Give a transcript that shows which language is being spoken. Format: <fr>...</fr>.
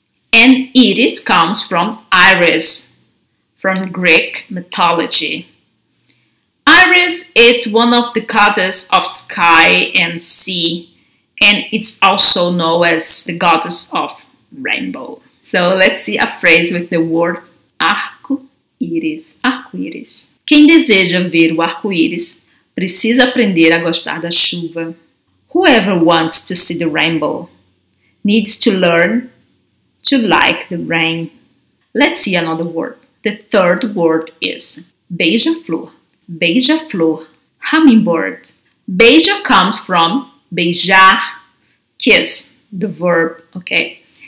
<en>And iris comes from iris, from Greek mythology. Iris is one of the goddesses of sky and sea, and it's also known as the goddess of rainbow. So let's see a phrase with the word arco-íris.</en> <pt>Arco-íris. Quem deseja ver o arco-íris precisa aprender a gostar da chuva.</pt> <en>Whoever wants to see the rainbow needs to learn to like the rain. Let's see another word. The third word is beija-flor. Beija-flor. Hummingbird. Beija comes from beijar, kiss, the verb, okay?</en>